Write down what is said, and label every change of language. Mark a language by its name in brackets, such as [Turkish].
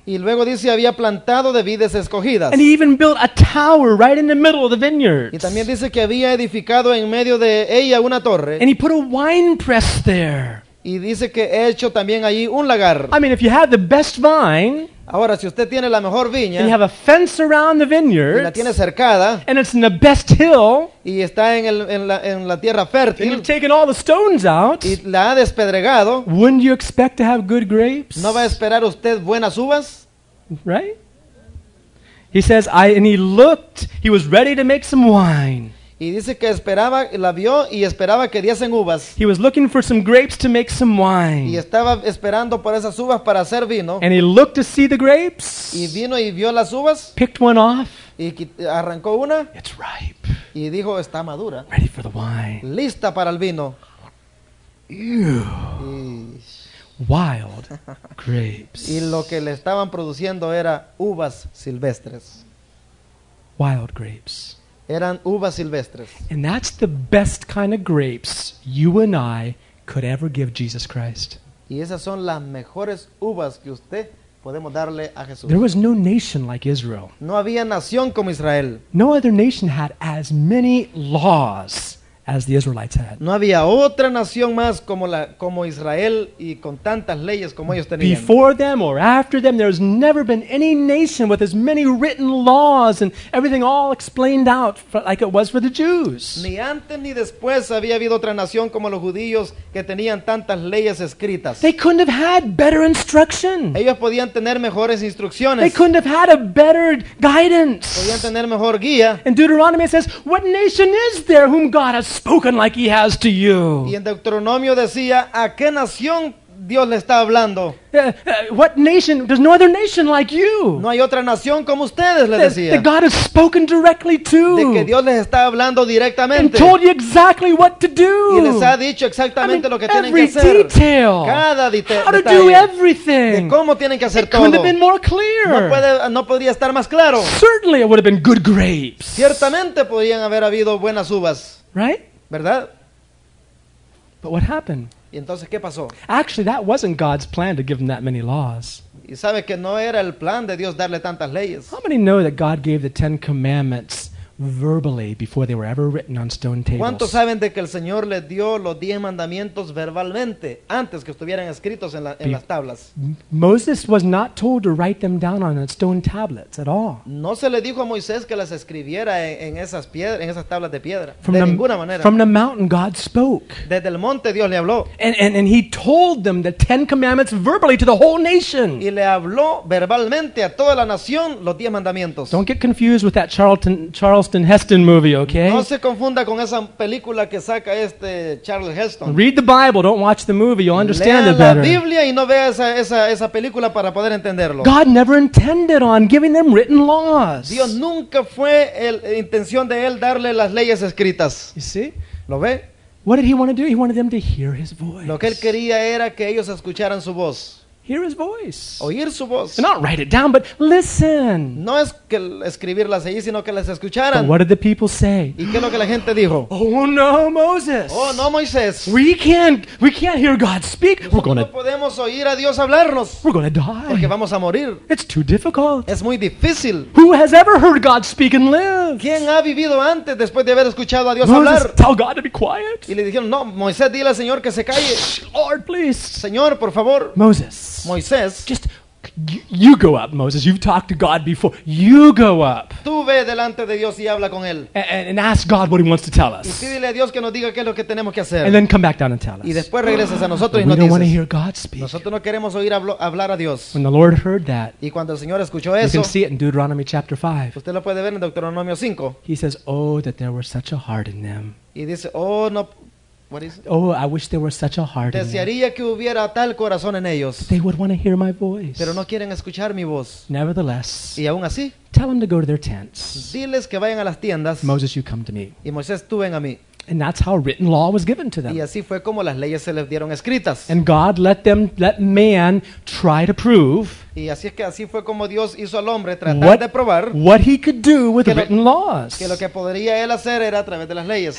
[Spanish] Y luego dice había plantado de vides escogidas. [English] And he even built a tower right in the middle of the vineyard. [Spanish] Y también dice que había edificado en medio de ella una torre. [English] And he put a wine press there. [Spanish] Y dice que he hecho también allí un lagar. [English] I mean, if you have the best vine, [Spanish] ahora si usted tiene la mejor viña, [English] and you have a fence around the vineyard, [Spanish] y la tiene cercada, [English] and it's in the best hill, [Spanish] y está en la tierra fértil, [English] and you've taken all the stones out, [Spanish] y la ha despedregado, [English] wouldn't you expect to have good grapes? [Spanish] ¿No va a esperar usted buenas uvas? [English] Right? He says, he looked, he was ready to make some wine. [Spanish] Y dice que esperaba, la vio y esperaba que diesen uvas. [English] He was looking for some grapes to make some wine. [Spanish] Y estaba esperando por esas uvas para hacer vino. [English] And he looked to see the grapes. [Spanish] Y vino y vio las uvas. [English] Picked one off. [Spanish] Y arrancó una. [English] It's ripe. [Spanish] Y dijo, está madura. [English] Ready for the wine. [Spanish] Lista para el vino. [English] Ew. Wild grapes. [Spanish] Y lo que le estaban produciendo era uvas silvestres. [English] Wild grapes. [Spanish] Eran uvas silvestres. [English] And that's the best kind of grapes you and I could ever give Jesus Christ. [Spanish] Y esas son las mejores uvas que usted podemos darle a Jesús. [English] There was no nation like Israel. [Spanish] No había nación como Israel. [English] No other nation had as many laws as the Israelites had. [Spanish] No había otra nación más como Israel y con tantas leyes como ellos tenían. [English] Before them or after them, there's never been any nation with as many written laws and everything all explained out like it was for the Jews. [Spanish] Ni antes ni después había habido otra nación como los judíos que tenían tantas leyes escritas. [English] They couldn't have had better instruction. [Spanish] Ellos podían tener mejores instrucciones. [English] They couldn't have had a better guidance. [Spanish] Podían tener mejor guía. [English] And Deuteronomy says, "What nation is there whom God has spoken like he has to you?" [Spanish] Y en Deuteronomio decía, ¿a qué nación Dios le está hablando? [English] What nation? There's no other nation like you. [Spanish] No hay otra nación como ustedes, le decía. [English] That God has spoken directly to. [Spanish] De que Dios les está hablando directamente. [English] And told you exactly what to do. [Spanish] Y les ha dicho exactamente lo que tienen que hacer. [English] Every detail. [Spanish] Cada detalle. [English] How to do everything. [Spanish] De cómo tienen que hacer [English] it [Spanish] todo. [English] Couldn't have been more clear. [Spanish] No podría estar más claro. [English] Certainly it would have been good grapes. [Spanish] Ciertamente podrían haber habido buenas uvas. [English] Right? [Spanish] ¿Verdad? [English] But what happened? [Spanish] ¿Y entonces qué pasó? [English] Actually, that wasn't God's plan to give them that many laws. [Spanish] ¿Y sabe que no era el plan de Dios darle tantas leyes? [English] How many know that God gave the Ten Commandments verbally before they were ever written on stone tables? [Spanish] ¿Cuántos saben de que el Señor les dio los 10 mandamientos verbalmente antes que estuvieran escritos en las tablas? [English] Moses was not told to write them down on stone tablets at all. [Spanish] No se le dijo a Moisés que las escribiera en esas tablas de piedra, de ninguna manera. [English] From the mountain God spoke. [Spanish] Desde el monte Dios le habló. [English] And he told them the 10 commandments verbally to the whole nation. [Spanish] Y le habló verbalmente a toda la nación los 10 mandamientos. [English] Don't get confused with that Charlton Heston movie, okay? [Spanish] No se confunda con esa película que saca este Charles Heston. [English] Read the Bible, don't watch the movie, you'll understand it better. [Spanish] Lea la Biblia y no vea esa película para poder entenderlo. [English] God never intended on giving them written laws. [Spanish] Dios nunca fue intención de él darle las leyes escritas. [English] You see? [Spanish] ¿Lo ve? [English] What did he want to do? He wanted them to hear his voice. [Spanish] Lo que él quería era que ellos escucharan su voz. [English] Hear his voice. [Spanish] Oír su voz. [English] Not write it down, but listen. [Spanish] No es que escribirlas allí, sino que las escucharan. [English] But what did the people say? [Spanish] ¿Y qué es lo que la gente dijo? [English] Oh no, Moses. [Spanish] Oh no, Moisés. [English] We can't hear God speak. [Spanish] Nosotros [English] we're gonna. [Spanish] No podemos oír a Dios hablarnos. [English] We're gonna die. [Spanish] Porque vamos a morir. [English] It's too difficult. [Spanish] Es muy difícil. [English] Who has ever heard God speak and live? [Spanish] ¿Quién ha vivido antes después de haber escuchado a Dios [English] Moses, [Spanish] hablar? [English] Tell God to be quiet. [Spanish] Y le dijeron, no, Moisés, dile al Señor que se calle. [English] Lord, please. [Spanish] Señor, por favor. [English] Moses. [Spanish] Moisés, [English] just you go up, Moses. You've talked to God before. You go up. [Spanish] Tú ve delante de Dios y habla con él. [English] And ask God what He wants to tell us. [Spanish] Y pídele a Dios que nos diga qué es lo que tenemos que hacer. [English] And then come back down and tell us. [Spanish] Y después regresas a nosotros y nos dices. [English] We don't want to hear God speak. [Spanish] Nosotros no queremos oír hablar a Dios. [English] When the Lord heard that, [Spanish] y cuando el Señor escuchó eso, [English] you can see it in Deuteronomy chapter 5. [Spanish] Usted lo puede ver en Deuteronomio 5. [English] He says, "Oh, that there were such a heart in them." [Spanish] Y dice, "Oh, no." [English] What is it? Oh, I wish there were such a heart [Spanish] desearía [English] in them. [Spanish] Que hubiera tal corazón en ellos. [English] They would want to hear my voice. [Spanish] Pero no quieren escuchar mi voz. [English] Nevertheless, [Spanish] y aún así, [English] tell them to go to their tents. [Spanish] Diles que vayan a las tiendas. [English] Moses, you come to me. [Spanish] Y Moisés, tú ven a mí. [English] And that's how written law was given to them. [Spanish] Y así fue como las leyes se les dieron escritas. [English] And God let man try to prove. [Spanish] Y así es que así fue como Dios hizo al hombre tratar de probar [English] what he could do with written laws. [Spanish] Que lo que podría él hacer era a través de las leyes.